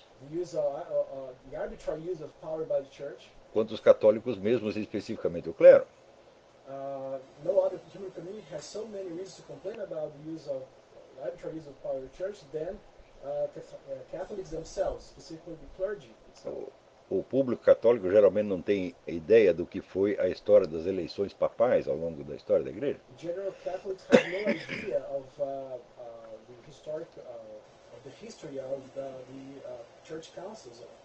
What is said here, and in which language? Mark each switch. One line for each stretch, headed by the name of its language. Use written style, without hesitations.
English: The use of the arbitrary use of power by the church.
Portuguese: Quanto os católicos mesmos, especificamente o clero.
English: No other human community has so many reasons to complain about the use of arbitrary use of power by the church than Catholics themselves, specifically the clergy.
Portuguese: O público católico geralmente não tem ideia do que foi a história das eleições papais ao longo da história da Igreja.
English: General Catholics have no idea of the historic of the history of the church councils.